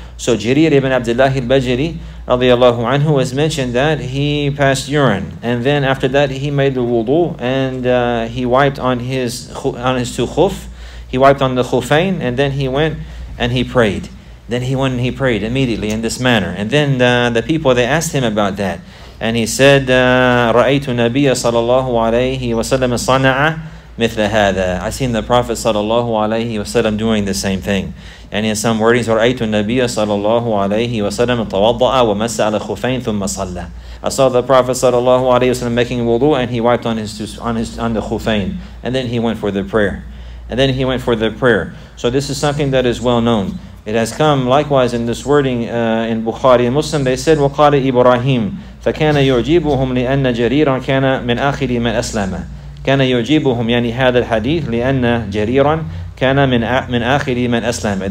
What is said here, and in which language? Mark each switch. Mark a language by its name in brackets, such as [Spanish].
[English] So Jarir ibn Abdullah al-Bajri radiyallahu anhu has mentioned that he passed urine, and then after that he made the wudu, and he wiped on his two khuf, he wiped on the khufain, and then he went and he prayed. Immediately in this manner. And then the people, they asked him about that. And he said, [Arabic] رَأَيْتُ نَبِيَّ صَلَّى اللَّهُ عَلَيْهِ صَنَعَ مِثْلَ هَذَا. [English] I seen the Prophet sallallahu alayhi wasallam doing the same thing. And in some wordings, [Arabic] رَأَيْتُ النَّبِيَّ صَلَّى اللَّهُ عَلَيْهِ تَوَضَّعَ وَمَسَّ عَلَى خُفَيْنِ ثُمَّ صَلَّى. [English] I saw the Prophet sallallahu alayhi wasallam making wudu, and he wiped on the khufain, and then he went for the prayer. and then he went for the prayer. So this is something that is well known. It has come likewise in this wording in Bukhari and Muslim. They said, [Arabic] وَقَالَ إِبْرَاهِيمُ فَكَانَ يُعْجِبُهُمْ لِأَنَّ جَرِيرًا كَانَ مِنْ أَخِرِ مَنْ أَسْلَمَ كَانَ يُعْجِبُهُمْ يَعْنِي هَذَا الْحَدِيثُ لِأَنَّ جَرِيرًا كَانَ مِنْ أَخِرِ مَنْ أَسْلَمَ.